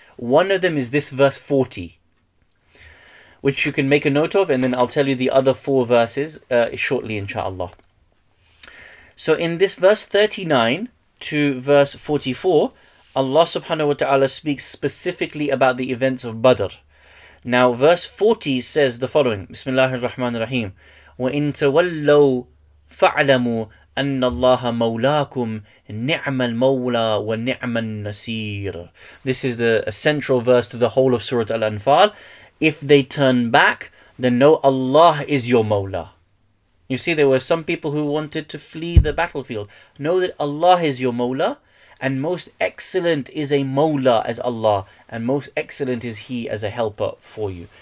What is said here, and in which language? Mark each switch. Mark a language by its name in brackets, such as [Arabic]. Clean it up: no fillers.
[English] One of them is this verse 40, which you can make a note of, and then I'll tell you the other 4 verses shortly, inshallah. So in this verse 39 to verse 44, Allah subhanahu wa ta'ala speaks specifically about the events of Badr. Now verse 40 says the following, Bismillah ar-Rahman ar-Rahim, [Arabic] وَإِن تَوَلَّوْا فَعْلَمُوا أَنَّ اللَّهَ مَوْلَاكُمْ نِعْمَ الْمَوْلَى وَنِعْمَ النَّسِيرُ. [English] This is the central verse to the whole of Surah Al-Anfal. If they turn back, then know Allah is your Mawla. You see, there were some people who wanted to flee the battlefield. Know that Allah is your Mawla, and most excellent is a Mawla as Allah, and most excellent is He as a helper for you.